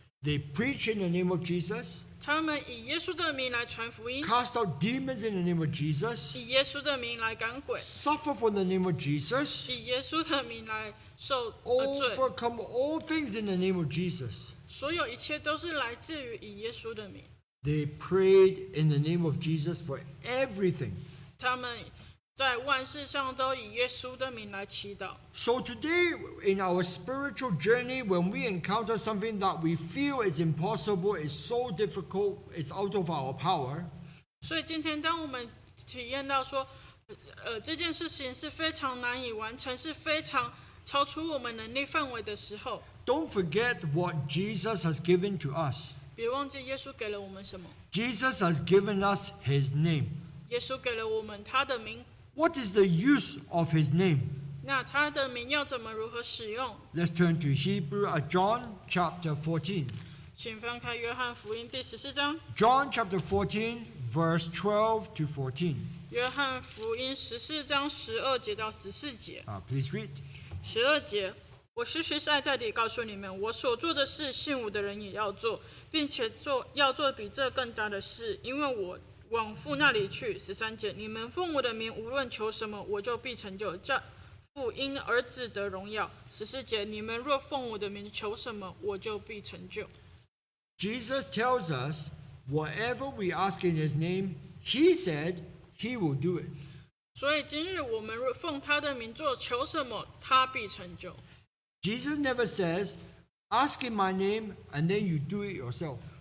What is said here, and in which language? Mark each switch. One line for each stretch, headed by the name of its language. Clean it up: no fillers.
English: They preach in the name of Jesus.
Chinese: 他们以耶稣的名来传福音。
English: Cast out demons in the name of Jesus.
Chinese: 以耶稣的名来赶鬼。
English: Suffer for the name of Jesus.
Chinese: 以耶稣的名来受罪。
English: Overcome all things in the name of Jesus.
Chinese: 所有一切都是来自于以耶稣的名。
English: They prayed in the name of Jesus for everything.
Chinese: 他们在万事上都以耶稣的名来祈祷。
English: So today, in our spiritual journey, when we encounter something that we feel is impossible, it's so difficult, it's out of our power.
Chinese: 所以今天当我们体验到说, 这件事情是非常难以完成，是非常超出我们能力范围的时候。
English: Don't forget what Jesus has given to us.
Chinese: 别忘记耶稣给了我们什么?
English: Jesus has given us his name.
Chinese: 耶稣给了我们他的名。
English: What is the use of his name?
Chinese: 那他的名要怎么如何使用?
English: Let's turn to John chapter 14.
Chinese: 请翻开约翰福音第14章。
English: John chapter 14, verse 12 to 14.
Chinese: 约翰福音14章12节到14节。
English: Please read.
Chinese: 12节。我实实在在地告诉你们，我所做的事，信我的人也要做，并且做要做比这更大的事，因为我往父那里去。13节，你们奉我的名，无论求什么，我就必成就，叫父因儿子得荣耀。14节，你们若奉我的名求什么，我就必成就。
English: Jesus tells us, whatever we ask in his name, he said he will do it。
Chinese: 所以今日我们奉他的名做求什么，他必成就。
English: Jesus never says, ask in my name and then you do it yourself.